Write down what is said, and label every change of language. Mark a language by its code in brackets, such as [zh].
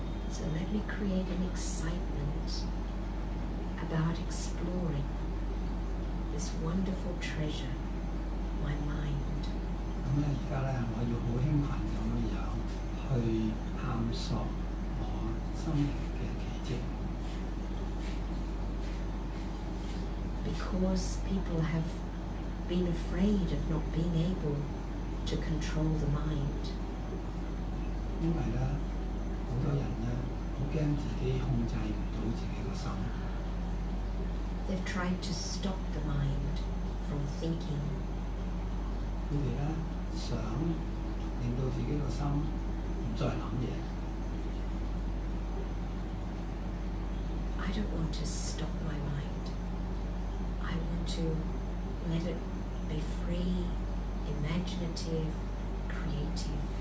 [en] So let me create an excitement about exploring this wonderful treasure, my mind. [yue] 咁咧，而家咧，我要好興奮咁樣去探索我生命嘅奇蹟。 [en] Because people have been afraid of not being able to control the mind. [yue] 因為咧，好多人咧，好驚自己控制唔到自己個心。 [en] They've tried to stop the mind from thinking. [yue] 佢哋咧想令到自己個心唔再諗嘢。 [en] I don't want to stop my mind. I want to let it be free, imaginative, creative.